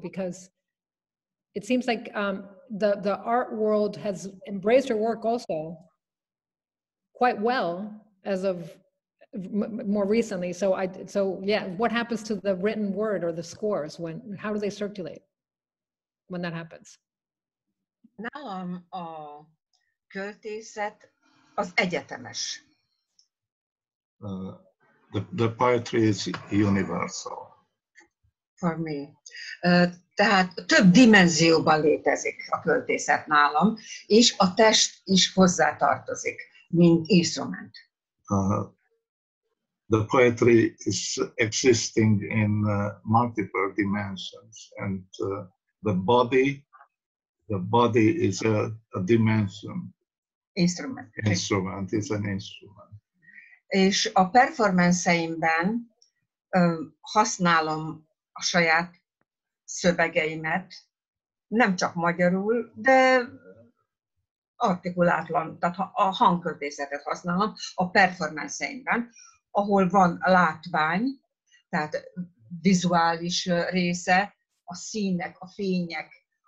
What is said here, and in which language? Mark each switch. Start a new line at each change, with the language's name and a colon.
English: Because it seems like the art world has embraced your work also quite well as of more recently. What happens to the written word or the scores? How do they circulate when that happens?
Hungarian: Nálam a költészet az egyetemes.
English: The poetry is universal. For me.
Hungarian: Tehát több dimenzióban létezik a költészet nálam, és a test is hozzátartozik, mint instrument.
English: The poetry is existing in multiple dimensions, and the body is a dimension. Instrument is an instrument.
Hungarian: és a performanceimben használom a saját szövegeimet, nem csak magyarul, de artikulátlan, tehát a hangköltészetet használom a performanceimben, ahol van látvány, tehát vizuális része, a színek, a fények,